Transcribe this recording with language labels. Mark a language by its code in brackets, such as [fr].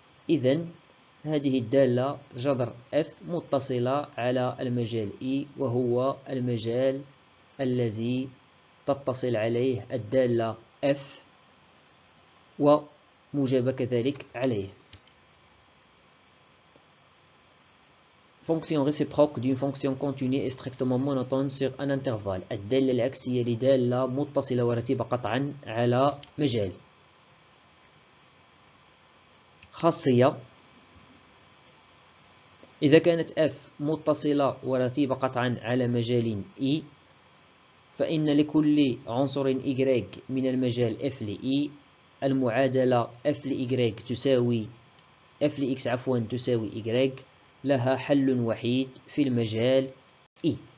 [ar] إذن هذه الدالة جذر F متصلة على المجال E، وهو المجال الذي تتصل عليه الدالة F وموجبة كذلك عليه. [fr] fonction réciproque d'une fonction continue et strictement monotone sur un intervalle. [ar] الدالة العكسية لدالة متصلة ورتيبة قطعا على مجال. خاصية، إذا كانت F متصلة ورتيبة قطعا على مجال E فإن لكل عنصر Y من المجال F ل E المعادلة F ل Y تساوي F ل X عفوا تساوي Y لها حل وحيد في المجال E.